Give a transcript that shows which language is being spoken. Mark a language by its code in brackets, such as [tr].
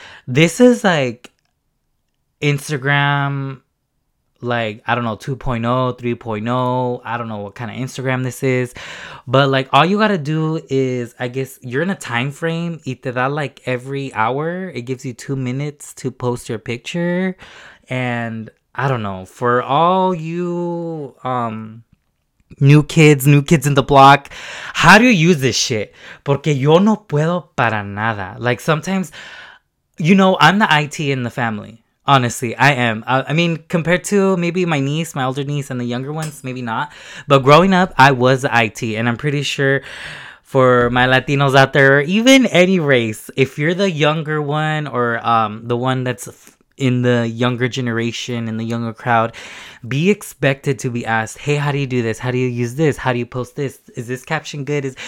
[en] This is like Instagram, like, I don't know, 2.0, 3.0, I don't know what kind of Instagram this is, but like, all you gotta do is, I guess, you're in a time frame, [es] y te da [en] like every hour, it gives you 2 minutes to post your picture. And I don't know, for all you new kids in the block, how do you use this shit? [es] Porque yo no puedo para nada. [en] Like, sometimes, you know, I'm the IT in the family. Honestly, I am. I mean, compared to maybe my niece, my older niece, and the younger ones, maybe not. But growing up, I was the IT. And I'm pretty sure for my Latinos out there, or even any race, if you're the younger one or the one that's in the younger generation, in the younger crowd, be expected to be asked, hey, how do you do this? How do you use this? How do you post this? Is this caption good?